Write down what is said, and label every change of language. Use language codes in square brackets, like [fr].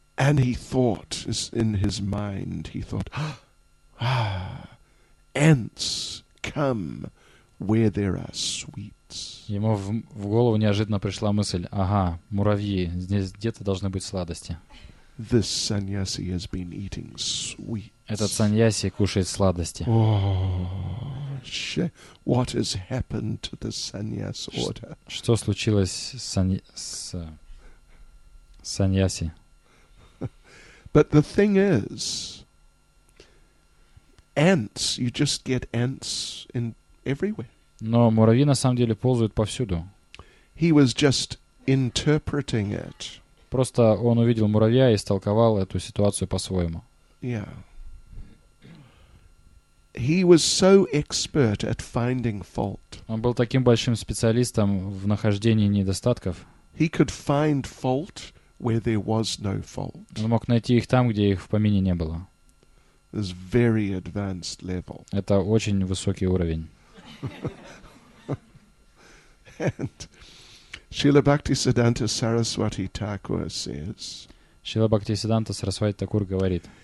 [en] And he thought, in his mind, he thought, ah, ants come where there are sweets. [ru] Ему в голову неожиданно пришла мысль, ага, муравьи, здесь где-то должны быть сладости. [en] This sannyasi has been eating sweets. [ru] Этот саньяси кушает сладости. [en] Oh, what has happened to the sannyas order? [ru] Что случилось с саньяси? [en] But the thing is, ants, you just get ants in everywhere. [ru] Но муравьи на самом деле ползают повсюду. [en] He was just interpreting it. [ru] Просто он увидел муравья и истолковал эту ситуацию по-своему. [en] Yeah. He was so expert at finding fault. [ru] Он был таким большим специалистом в нахождении недостатков. [en] He could find fault where there was no fault. [ru] Он мог найти их там, где их в помине не было. [en] This very advanced level. [ru] Это очень высокий уровень. [en] And Srila Bhaktisiddhanta Saraswati Thakur says. [ru] Srila Bhaktisiddhanta Saraswati Thakur говорит.